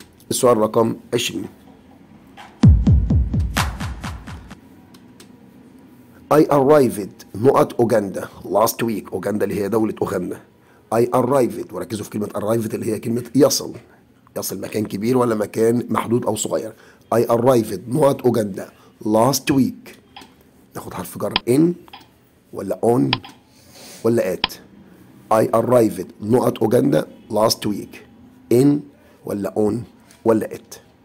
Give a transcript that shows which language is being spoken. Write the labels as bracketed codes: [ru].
[ar] السؤال رقم 20 [en] I arrived not Uganda last week. [ar] Uganda اللي هي دولة أوغندا. [en] I arrived. [ar] وركزوا في كلمة arrived اللي هي كلمة يصل. يصل مكان كبير ولا مكان محدود أو صغير. [en] I arrived not Uganda last week. [ar] ناخد حرف جر in ولا on ولا at. [en] I arrived not Uganda last week. In ولا on ولا at.